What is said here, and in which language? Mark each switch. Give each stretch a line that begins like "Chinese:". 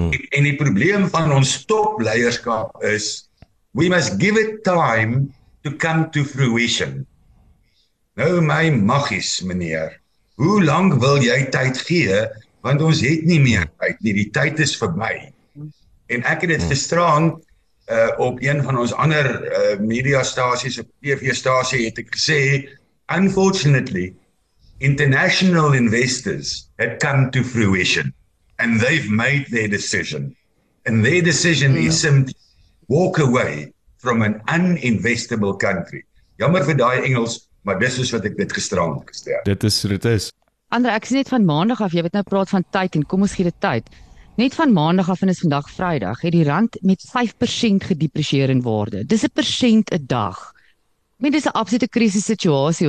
Afrikaans: En die probleem van ons top leierskap is,
English: we must give it time to come to fruition.
Afrikaans: Nou my maggies, meneer, hoe lank wil jy tyd gee, want ons het nie meer tyd nie, die tyd is verby. En ek het dit gisteraan op een van ons ander mediastasies, op TV-stasie, het ek gesê,
English: unfortunately, international investors had come to fruition. And they've made their decision. And their decision is simply walk away from an uninvestable country.
Afrikaans: Jammer vir daai Engels, maar dis is wat ek dit gisteraan gestel. Dit is hoe dit is. Andre, ek sien net van maandag af, jy weet nou praat van tyd en kom ons gee dit tyd. Net van maandag af en is vandag Vrydag, het die rand met 5% gedepresieer in waarde. Dis 1% 'n dag. Dit is 'n absolute krisis situasie.